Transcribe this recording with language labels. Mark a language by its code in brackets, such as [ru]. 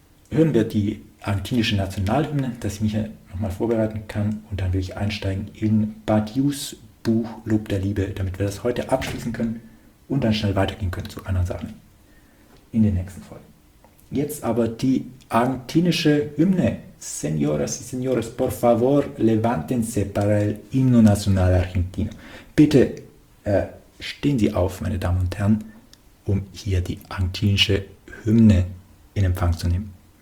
[de] Hören wir die argentinische Nationalhymne, dass ich mich ja nochmal vorbereiten kann. Und dann will ich einsteigen in Badiou's Buch Lob der Liebe, damit wir das heute abschließen können und dann schnell weitergehen können zu anderen Sachen in den nächsten Folgen. Jetzt aber die argentinische Hymne. [es] Señoras y señores, por favor, levántense para el himno nacional argentino. [de] Bitte stehen Sie auf, meine Damen und Herren, um hier die argentinische Hymne in Empfang zu nehmen.